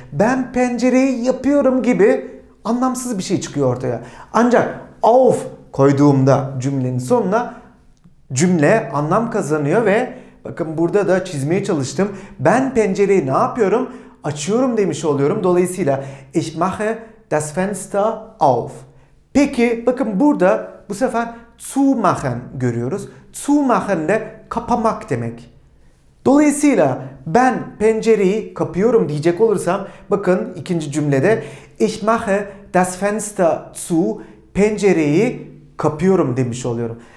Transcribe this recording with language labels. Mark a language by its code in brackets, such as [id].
[tr] Ben pencereyi yapıyorum gibi anlamsız bir şey çıkıyor ortaya. Ancak auf koyduğumda cümlenin sonuna cümle anlam kazanıyor ve bakın burada da çizmeye çalıştım. Ben pencereyi ne yapıyorum? Açıyorum demiş oluyorum. [de] Dolayısıyla ich mache das Fenster auf. [tr] Peki bakın burada bu sefer zu machen görüyoruz. Zu machen de kapamak demek. Dolayısıyla ben pencereyi kapıyorum diyecek olursam, bakın ikinci cümlede [de] ich mache das Fenster zu, [tr] pencereyi kapıyorum demiş oluyorum.